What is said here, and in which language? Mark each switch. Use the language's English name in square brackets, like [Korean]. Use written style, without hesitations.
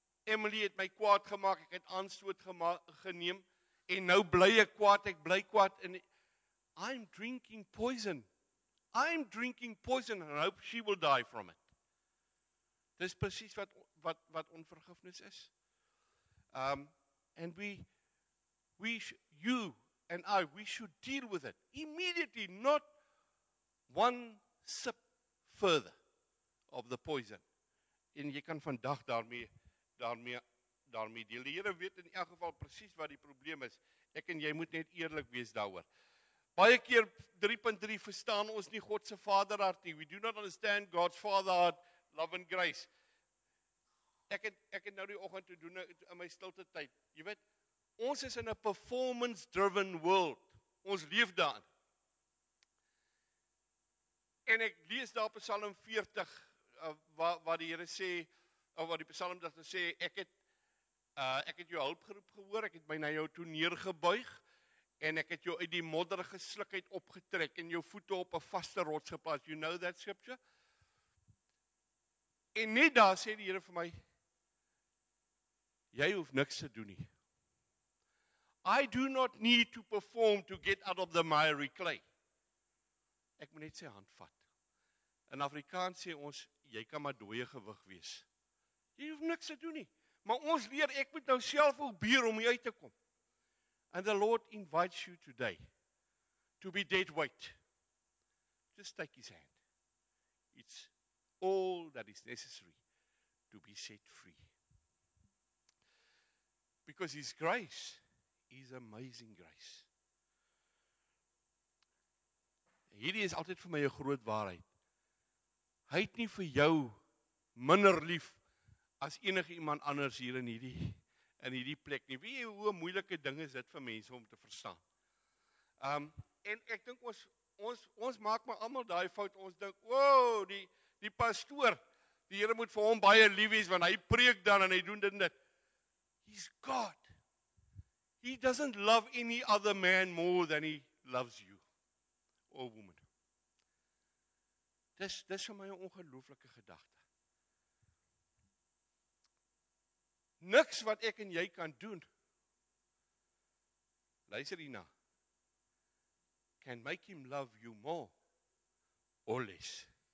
[Afrikaans] Emily het my kwaad gemaakt, ek het aanstoot geneem, en nou bly ek kwaad, ek bly kwaad, en [English] I'm drinking poison. I'm drinking poison, and I hope she will die from it. [Afrikaans] Dis precies wat onvergifnis is. [English] And we should deal with it immediately, not one sip further of the poison. [Afrikaans] En jy kan vandag daarmee deel. Die Here weet in elk geval precies wat die probleem is. Ek en jy moet net eerlijk wees daaroor. Baie keer 3.3 verstaan ons nie God se vaderhart nie. [English] We do not understand God's fatherhart, love and grace. [Afrikaans] Ek het nou die oggend toe doen in my stilte tyd. Jy weet, ons is in 'n [English] performance driven world. [Afrikaans] Ons leef daarin. En ek lees daar Psalm 40 waar die Here sê of waar die psalmdigter sê ek het jou hulp geroep gehoor, ek het my na jou toe neergebuig en ek het jou uit die modder gesluk uit opgetrek en jou voete op 'n vaste rots geplaas. [English] You know that scripture? [Afrikaans] En net daar sê die Here vir my, jy hoef niks te doen nie. [English] I do not need to perform to get out of the miry clay. [Afrikaans] Ek moet net sy hand vat. In Afrikaans sê ons, jy kan maar dooie gewig wees. Jy hoef niks te doen nie. Maar ons leer, ek moet nou self probeer om uit te kom. [English] And the Lord invites you today to be dead weight. Just take his hand. It's all that is necessary to be set free. Because his grace is amazing grace. [Afrikaans] Hierdie is altyd vir my 'n groot waarheid. Hy het nie vir jou minder lief as enige iemand anders hier in hierdie plek nie. Weet jy hoe moeilike ding is dit vir mense om te verstaan? En ek dink ons maak maar almal daai fout. Ons dink, "Wow, die pastoor, die Here moet vir hom baie lief wees want hy preek dan en hy doen dit en dit." [English] He's God. He doesn't love any other man more than he loves you or woman. [Afrikaans] Dis vir my 'n ongelooflike gedagte. Niks wat ek en jy kan doen, luister hierna, [English] can make him love you more or less.